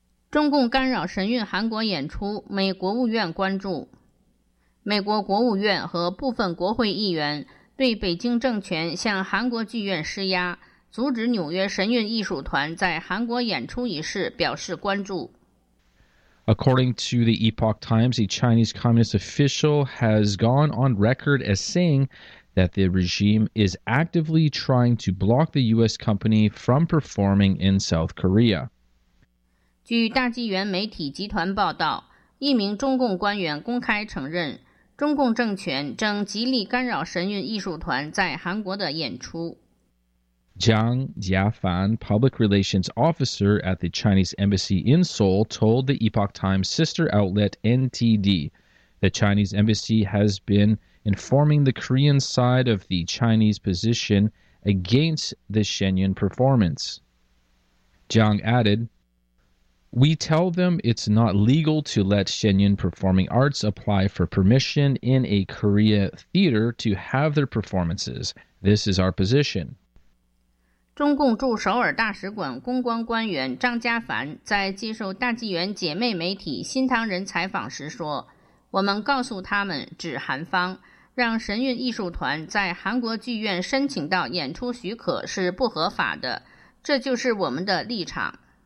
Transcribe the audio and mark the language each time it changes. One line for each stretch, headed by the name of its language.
Chinese: 中共干扰神韵韩国演出，美国务院关注。美国国务院和部分国会议员对北京政权向韩国剧院施压，阻止纽约神韵艺术团在韩国演出一事表示关注。
English: According to the Epoch Times, a Chinese communist official has gone on record as saying that the regime is actively trying to block the U.S. company from performing in South Korea.
Chinese: 据大纪元媒体集团报道，一名中共官员公开承认，中共政权正极力干扰神韵艺术团在韩国的演出。
English: Jiang Jiafan, public relations officer at the Chinese embassy in Seoul, told the Epoch Times sister outlet NTD, the Chinese embassy has been informing the Korean side of the Chinese position against the Shenyun performance. Jiang added, We tell them it's not legal to let Shenyun Performing Arts apply for permission in a Korea theater to have their performances. This is our position.
Chinese: 中共驻首尔大使馆公关官员张家凡在接受大纪元姐妹媒体新唐人采访时说，我们告诉他们，指韩方，让神韵艺术团在韩国剧院申请到演出许可是不合法的，这就是我们的立场。